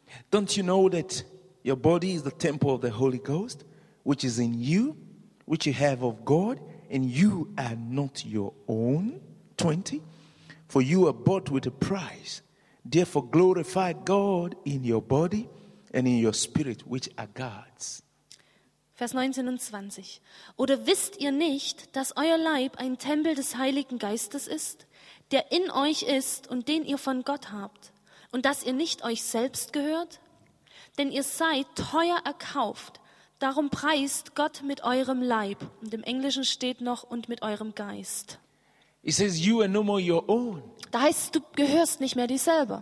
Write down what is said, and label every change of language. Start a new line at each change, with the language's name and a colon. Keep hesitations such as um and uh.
English: Don't you know that your body is the temple of the Holy Ghost, which is in you, which you have of God, and you are not your own? 20. For you were bought with a price. Therefore, glorify God in your body and in your spirit, which are God's.
German: Vers 19 und 20. Oder wisst ihr nicht, dass euer Leib ein Tempel des Heiligen Geistes ist, der in euch ist und den ihr von Gott habt, und dass ihr nicht euch selbst gehört? Denn ihr seid teuer erkauft, darum preist Gott mit eurem Leib. Und im Englischen steht noch und mit eurem Geist.
English: He says, you are no more your own.
German: Da heißt es, du gehörst nicht mehr dir selber.